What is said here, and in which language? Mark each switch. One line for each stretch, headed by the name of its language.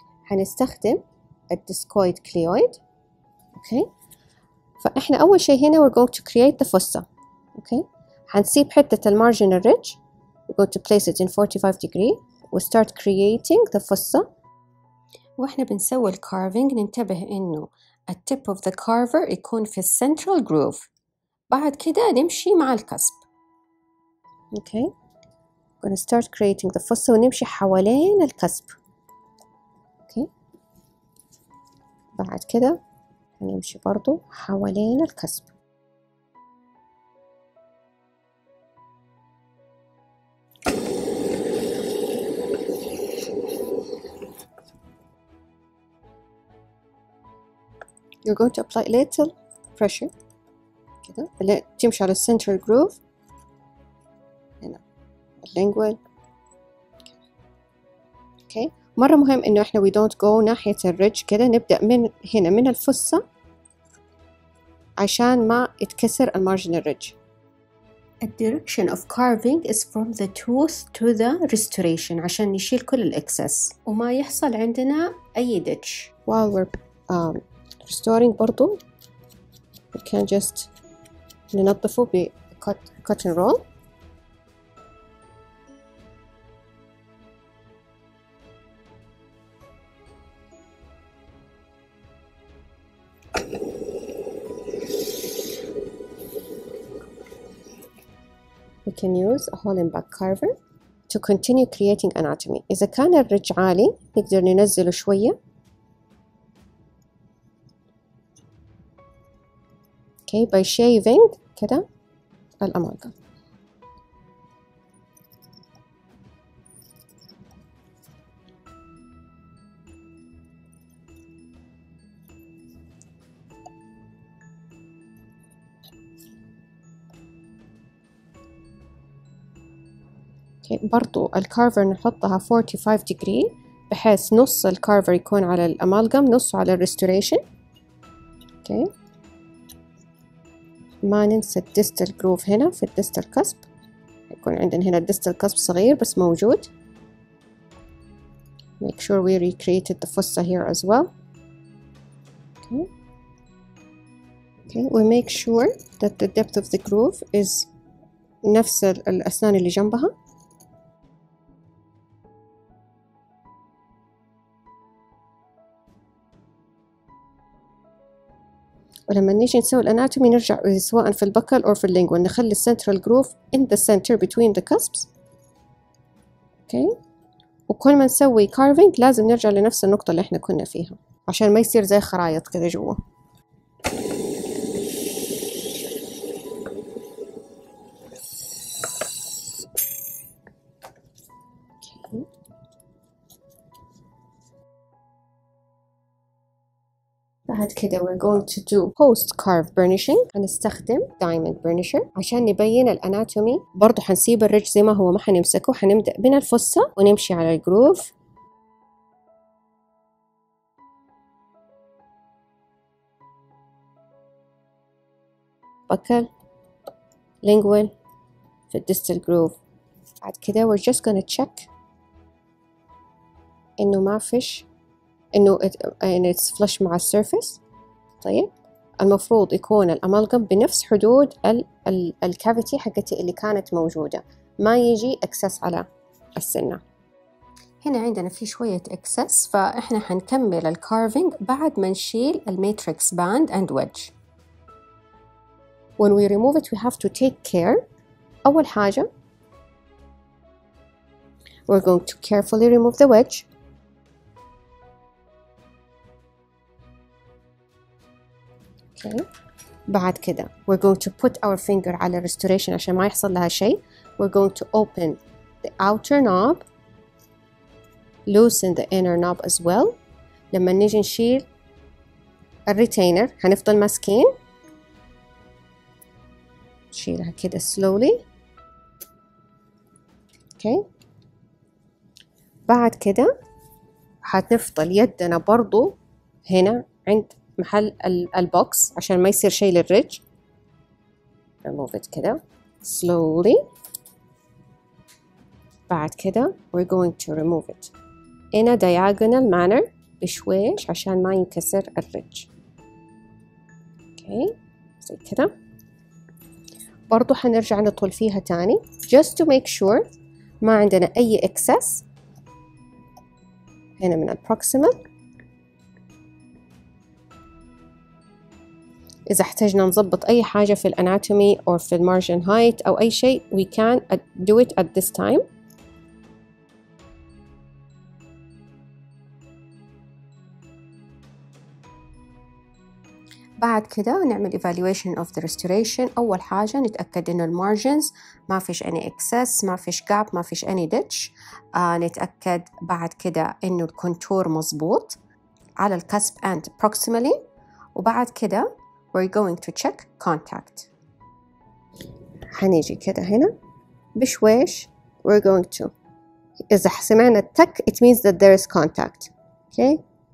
Arabic: هنستخدم الديسكويد كليويد. اوكي فاحنا اول شيء هنا
English: we're going to create the fossa.
Arabic: اوكي هنسيب حته المارجنال ريدج,
English: we're going to place it in 45 degree we start creating the fossa.
Arabic: واحنا بنسوي الكارفينج ننتبه انه
English: التيب اوف ذا كارفر
Arabic: يكون في السنترال جروف. بعد كده نمشي مع الكسب.
English: okay gonna start creating the fossa
Arabic: ونمشي حوالين الكسب. اوكي بعد كده هنمشي برضو حوالين الكسب.
English: You're going to apply a little pressure.
Arabic: كده تمشي على السنتر جروف هنا اللينجوال. اوكي مره مهم انه احنا
English: we don't go
Arabic: ناحيه الريدج كده, نبدا من هنا من الفصه عشان ما يتكسر المارجنال ريدج.
English: الدايركشن of carving is from the tooth to the restoration
Arabic: عشان نشيل كل الاكسس وما يحصل عندنا اي ديتش. واو
English: restoring
Arabic: برضو
English: we can just
Arabic: ننظفه ب
English: cotton roll. we can use a hole in back carver to continue creating anatomy.
Arabic: إذا كان الرج عالي نقدر ننزله شوية.
English: Okay, by shaving
Arabic: كده الأمالغام. Okay, برضو الكارفر نحطها 45 ديجري بحيث نص الكارفر يكون على الأمالغام نص على الريستوريشن.
English: Okay.
Arabic: ما ننسى الديستال جروف هنا في الديستال كسب, يكون عندنا هنا الديستال كسب صغير بس موجود.
English: Make sure we recreated the fossa here as well. Okay. We make sure that the depth of the groove is
Arabic: نفس الأسنان اللي جنبها. ولما نيجي نسوي الاناتومي نرجع سواء في البكال او في اللينجوال نخلي السنترال جروف
English: ان ذا سنتر بتوين ذا كسبس.
Arabic: اوكي وكل ما نسوي كارفينج لازم نرجع لنفس النقطه اللي احنا كنا فيها عشان ما يصير زي خرايط كده جوا. بعد كده
English: we're going to do post carve burnishing.
Arabic: هنستخدم diamond burnisher عشان نبين الاناتومي. برضو حنسيب الرج زي ما هو ما حنمسكه, حنبدأ من الفصة ونمشي على الجروف. بكل
English: lingual
Arabic: في
English: distal groove.
Arabic: بعد كده
English: we're just gonna check
Arabic: انه ما فيش انه
English: it's flush
Arabic: مع السيرفيس. طيب المفروض يكون الامالغام بنفس حدود الكافيتي حقتي اللي كانت موجودة, ما يجي اكسس على السنة. هنا عندنا في شوية اكسس فاحنا حنكمل الكارفينج بعد ما نشيل الماتريكس باند
English: and wedge. When we remove it we have to take care.
Arabic: اول حاجة
English: we're going to carefully remove the wedge. Okay.
Arabic: بعد كده
English: we're going to put our finger
Arabic: على restoration عشان ما يحصل لها شيء.
English: We're going to open the outer knob, loosen the inner knob as well.
Arabic: لما نيجي نشيل الريتينر هنفضل ماسكين, نشيلها كده
English: slowly. Okay.
Arabic: بعد كده هنفضل يدنا برضو هنا عند محل البوكس عشان ما يصير شيء للرج.
English: Remove it
Arabic: كده
English: slowly.
Arabic: بعد كده
English: we're going to remove it in a diagonal manner
Arabic: بشويش عشان ما ينكسر الرج.
English: Okay.
Arabic: زي كده برضو حنرجع نطول فيها تاني
English: just to make sure
Arabic: ما عندنا أي excess هنا من البروكسيمال. إذا احتاجنا نضبط أي حاجة في الأناتومي أو في المارجن هايت أو أي شيء
English: we can do it at this time.
Arabic: بعد كده نعمل
English: evaluation of the restoration.
Arabic: أول حاجة نتأكد إنه المارجنز ما فيش
English: any excess,
Arabic: ما فيش gap, ما فيش
English: any ditch.
Arabic: نتأكد بعد كده إنه الكونتور مظبوط على الكسب
English: and proximally.
Arabic: وبعد كده
English: we're going to check contact.
Arabic: حنيجي كده هنا بشويش
English: we're going to,
Arabic: إذا سمعنا التك
English: it means that there is contact. Okay.